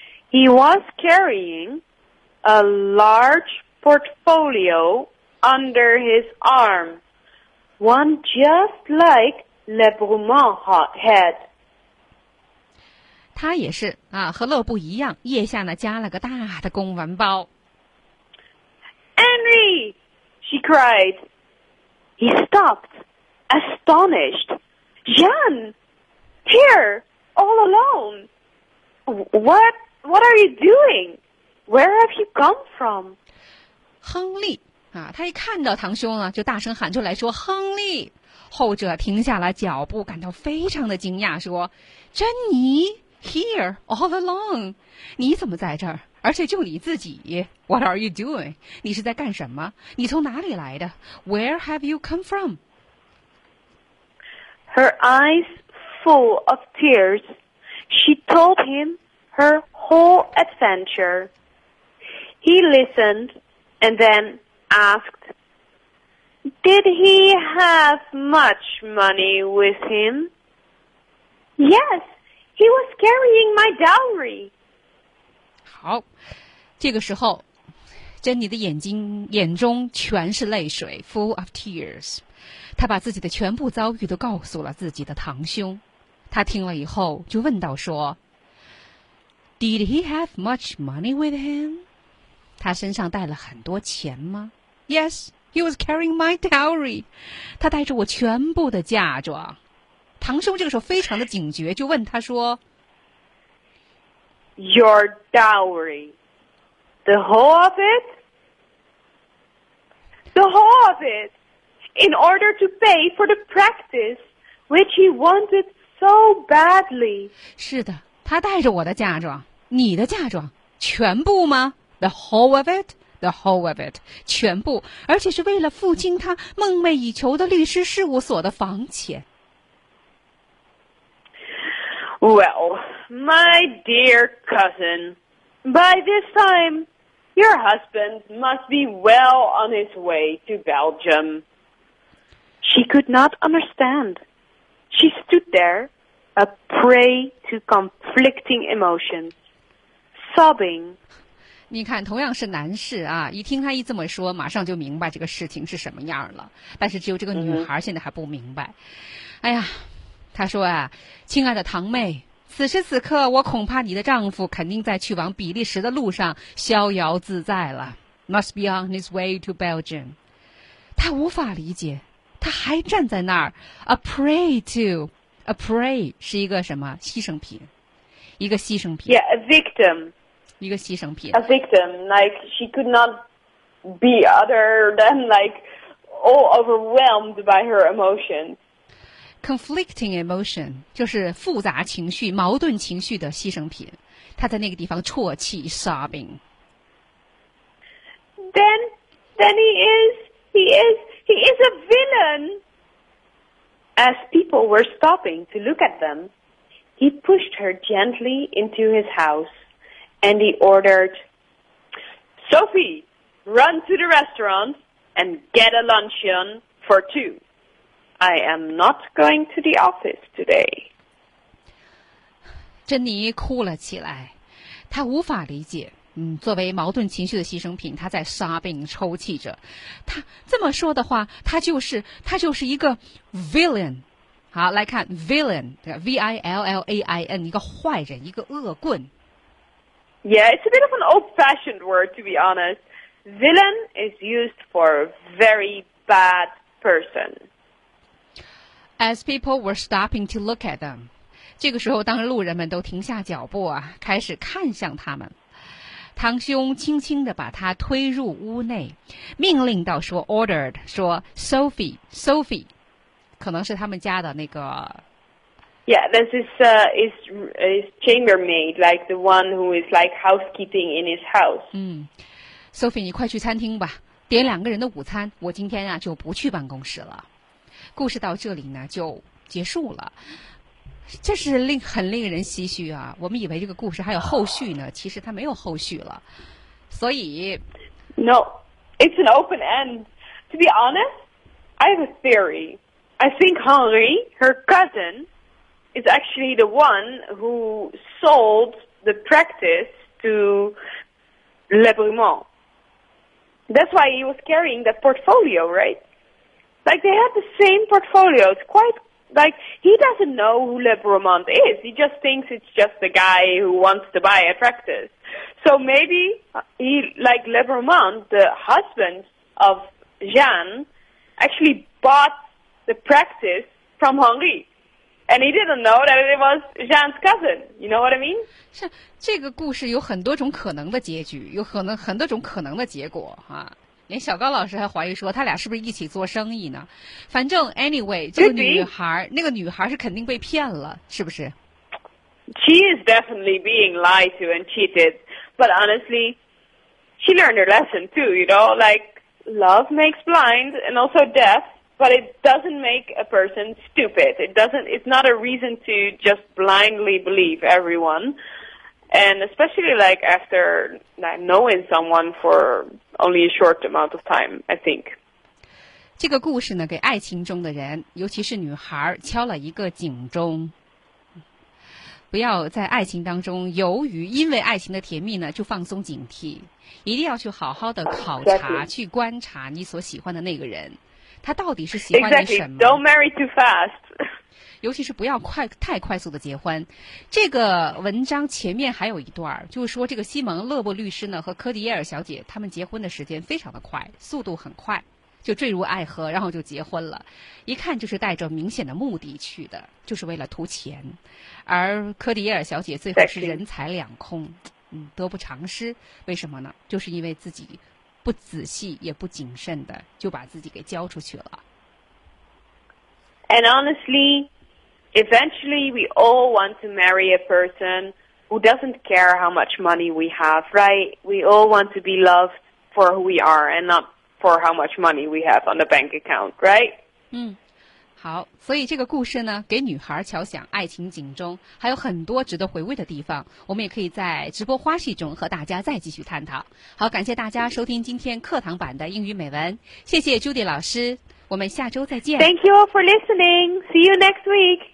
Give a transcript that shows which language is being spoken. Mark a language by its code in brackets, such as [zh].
[en] He was carrying a large portfolio under his arm, one just like Le Brumont had. [zh] 他也是啊和乐布一样腋下呢加了个大的公文包。 [en] Henry! She cried. He stopped, astonished. Jean, here, all alone. What are you doing? Where have you come from? [zh] 亨利啊，他一看到堂兄呢，就大声喊出来说：“亨利！” 后者停下了脚步，感到非常的惊讶，说：“珍妮 ， [en] here, all alone. [zh] 你怎么在这儿？而且就你自己 ？ [en] What are you doing? [zh] 你是在干什么？你从哪里来的 ？ [en] Where have you come from?” Her eyes full of tears, she told him her whole adventure. He listened and then asked, Did he have much money with him? Yes, he was carrying my dowry. [zh] 好，这个时候，珍妮的眼中全是泪水 , [en] full of tears. [zh] 他把自己的全部遭遇都告诉了自己的堂兄，他听了以后就问道说 ： [en] “Did he have much money with him？ [zh] 他身上带了很多钱吗 ？” [en] “Yes, he was carrying my dowry。” [zh] 他带着我全部的嫁妆。堂兄这个时候非常的警觉，就问他说 [en] ：“Your dowry, the whole of it, the whole of it.” In order to pay for the practice, which he wanted so badly. [zh] 是的，他带着我的嫁妆，你的嫁妆，全部吗？ [en] The whole of it? The whole of it. [zh] 全部，而且是为了付清他梦寐以求的律师事务所的房钱。 [en] Well, my dear cousin, by this time, your husband must be well on his way to Belgium. She could not understand. She stood there, a prey to conflicting emotions, sobbing. [zh] 你看，同样是男士啊，一听他一这么说，马上就明白这个事情是什么样了。但是只有这个女孩现在还不明白。 Mm-hmm. 哎呀，他说啊，亲爱的堂妹，此时此刻，我恐怕你的丈夫肯定在去往比利时的路上逍遥自在了。 [en] Must be on his way to Belgium. [zh] 他无法理解，他还站在那儿。 [en] A prey to, a prey [zh] 是一个什么牺牲品？一个牺牲品。 [en] Yeah, a victim. [zh] 一个牺牲品。 [en] A victim, like she could not be other than like all overwhelmed by her emotions. Conflicting emotion [zh] 就是复杂情绪、矛盾情绪的牺牲品。他在那个地方啜泣 ， [en] sobbing。 Then he is a villain. As people were stopping to look at them, he pushed her gently into his house, and he ordered, "Sophie, run to the restaurant and get a luncheon for two." I am not going to the office today. [zh] 珍妮哭了起来，她无法理解。作为矛盾情绪的牺牲品，她在 sobbing 抽泣着。她这么说的话，她就是一个 villain。好，来看 villain， V-I-L-L-A-I-N， 一个坏人，一个恶棍。 [en] Yeah, it's a bit of an old-fashioned word, to be honest. Villain is used for a very bad person. As people were stopping to look at them, [zh] 这个时候当路人们都停下脚步啊，开始看向他们。堂兄轻轻地把他推入屋内，命令到说 ,ordered, 说 ,Sophie, Sophie, 可能是他们家的那个。 [en] Yeah, this is chambermaid, like the one who is like housekeeping in his house. [zh] Sophie, 你快去餐厅吧，点两个人的午餐，我今天啊就不去办公室了。故事到这里呢就结束了，这是很令人唏嘘啊！我们以为这个故事还有后续呢，其实它没有后续了。所以 [en] ，No, it's an open end. To be honest, I have a theory. I think Henri, her cousin, is actually the one who sold the practice to Lebrumont. That's why he was carrying that portfolio, right? Like, they have the same portfolio. It's quite, like, he doesn't know who Lebrumont is. He just thinks it's just the guy who wants to buy a practice. So maybe he, like, Lebrumont, the husband of Jeanne, actually bought the practice from Henri. And he didn't know that it was Jeanne's cousin. You know what I mean? [zh] 是，这个故事有很多种可能的结局，有可能很多种可能的结果啊。连小高老师还怀疑说他俩是不是一起做生意呢？反正 anyway， 这个女孩，那个女孩是肯定被骗了，是不是 [en] ？She is definitely being lied to and cheated, but honestly, she learned her lesson too. You know, like love makes blind and also deaf, but it doesn't make a person stupid. It doesn't. It's not a reason to just blindly believe everyone. And especially like after knowing someone for only a short amount of time, I think. [zh] 这个故事呢，给爱情中的人，尤其是女孩，敲了一个警钟。不要在爱情当中犹豫，因为爱情的甜蜜呢，就放松警惕。一定要去好好的考察， [en] exactly. [zh] 去观察你所喜欢的那个人，他到底是喜欢你什么。 [en] Exactly. Don't marry too fast. [zh] 尤其是不要太快速的结婚。这个文章前面还有一段，就是说这个西蒙勒布律师呢和科迪耶尔小姐他们结婚的时间非常的快，速度很快，就坠入爱河，然后就结婚了。一看就是带着明显的目的去的，就是为了图钱。而科迪耶尔小姐最后是人财两空，得不偿失。为什么呢？就是因为自己不仔细也不谨慎的就把自己给交出去了。 [en] And honestly, eventually we all want to marry a person who doesn't care how much money we have, right? We all want to be loved for who we are and not for how much money we have on the bank account, right? [zh] 好，所以这个故事呢，给女孩敲响爱情警钟，还有很多值得回味的地方，我们也可以在直播花絮中和大家再继续探讨。好，感谢大家收听今天课堂版的英语美文，谢谢 Judy 老师，我们下周再见。 [en] Thank you all for listening. See you next week.